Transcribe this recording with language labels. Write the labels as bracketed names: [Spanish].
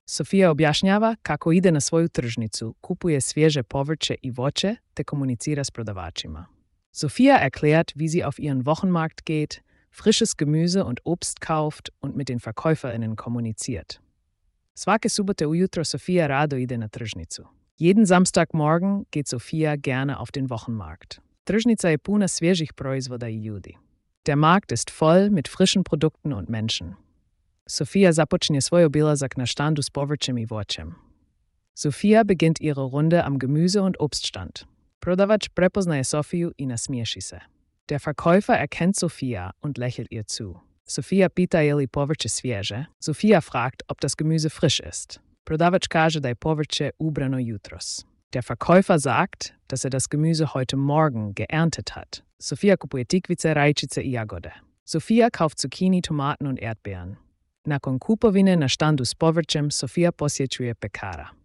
[Croatian] Sofia objašnjava kako ide na svoju tržnicu, kupuje svježe povrće i voće, te komunicira s prodavačima. [German] Sofia erklärt, wie sie auf ihren Wochenmarkt geht, frisches Gemüse und Obst kauft und mit den VerkäuferInnen kommuniziert. [Croatian] Svake subote ujutro Sofia rado ide na tržnicu. [German] Jeden Samstagmorgen geht Sofia gerne auf den Wochenmarkt. [Croatian] Tržnica je puna svježih proizvoda i ljudi. [German] Der Markt ist voll mit frischen Produkten und Menschen. [Croatian] Sofia započinje svoj obilazak na štandu s povrćem i voćem. [German] Sofia beginnt ihre Runde am Gemüse- und Obststand. [Croatian] Prodavač prepoznaje Sofiju i nasmiješi se. [German] Der Verkäufer erkennt Sofia und lächelt ihr zu. [Croatian] Sofia pita je li povrće svježe. [German] Sofia fragt, ob das Gemüse frisch ist. [Croatian] Prodavač kaže da je povrće ubrano jutros. [German] Der Verkäufer sagt, dass das Gemüse heute Morgen geerntet hat. [Croatian] Sofia kupuje tikvice, rajčice i jagode. [German] Sofia kauft Zucchini, Tomaten und Erdbeeren. [Croatian] Nakon kupovine na štandu s povrćem, Sofia posjećuje pekara.